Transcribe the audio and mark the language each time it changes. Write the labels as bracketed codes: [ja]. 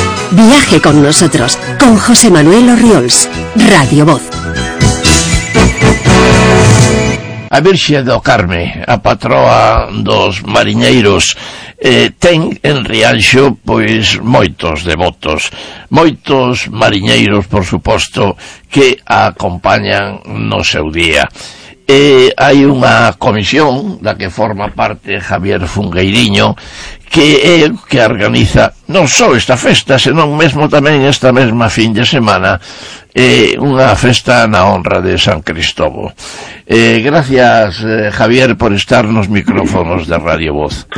[es] Viaje con nosotros, con José Manuel Orriols, Radio Voz. [gl] A Virxe do Carme, a patroa dos mariñeiros, ten en Rianxo, pois, moitos devotos, moitos mariñeiros, por suposto, que a acompañan no seu día. Hai unha comisión, da que forma parte Javier Fungueiriño, que é o que organiza non só esta festa, senón mesmo tamén esta mesma fin de semana, unha festa na honra de San Cristovo. Gracias, Javier, por estar nos micrófonos de Radio Voz.